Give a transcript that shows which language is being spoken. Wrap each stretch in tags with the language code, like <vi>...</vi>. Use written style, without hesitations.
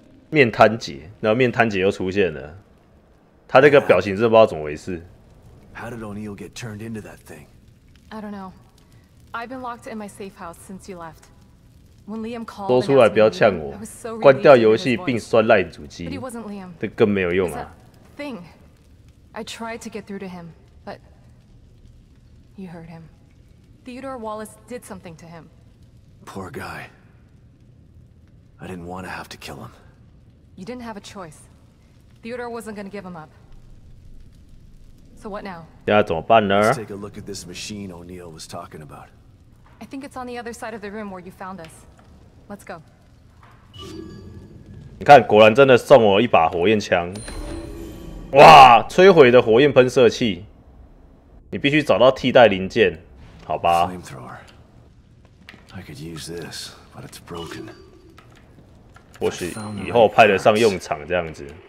<zh>面瘫姐，然后面瘫姐又出现了。他这个表情真的不知道怎么回事。</zh> <en>How did O'Neill get turned into that thing? I don't know. I've been locked in my safe house since you left.</en> <zh>多出来不要呛我，关掉游戏并摔烂主机，这更没有用啊。</zh> <en>Thing, I tried to get through to him, but you heard him. Theodore Wallace did something to him. Poor guy. I didn't want to have to kill him. You didn't have a choice. Theodore wasn't going to give him up. So So what now?</en> <zh>现在怎么办呢</zh> <en>？Let's take a look at this machine O'Neill was talking about. I think it's on the other side of the room where you found us. Let's go.</en> <zh>你看，果然真的送我一把火焰枪。哇，摧毁的火焰喷射器。你必须找到替代零件，好吧</zh> <en>？Flamethrower. I could use this, but it's broken.</en> <zh>或许以后派得上用场，这样子。</zh>